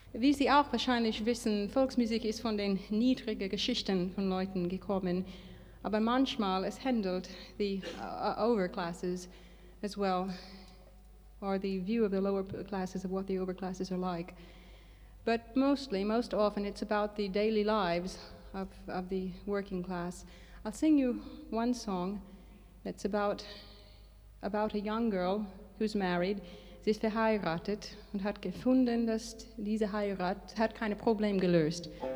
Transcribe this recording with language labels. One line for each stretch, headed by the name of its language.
German: Wie Sie auch wahrscheinlich wissen, Volksmusik ist von den niedrigen Geschichten von Leuten gekommen, aber manchmal es handelt
English: the overclasses as well, or the view of the lower classes of what the overclasses are like. But mostly, most often, it's about the daily lives of the working class. I'll sing you one song that's about a young girl who's married.
German: Sie ist verheiratet und hat gefunden, dass diese Heirat hat keine Probleme gelöst.